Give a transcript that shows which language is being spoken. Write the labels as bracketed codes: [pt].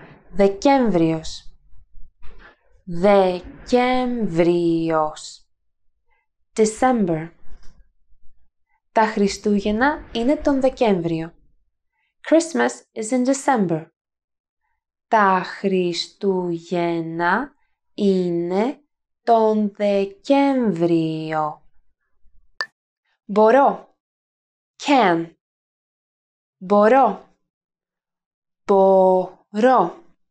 [el] Δεκέμβριος. Δεκέμβριος. [en] December. [el] Τα Χριστούγεννα είναι τον Δεκέμβριο. [en] Christmas is in December. [el] Τα Χριστούγεννα είναι τον Δεκέμβριο. Μπορώ. [en] Can. [el] Μπορώ. Μπορώ.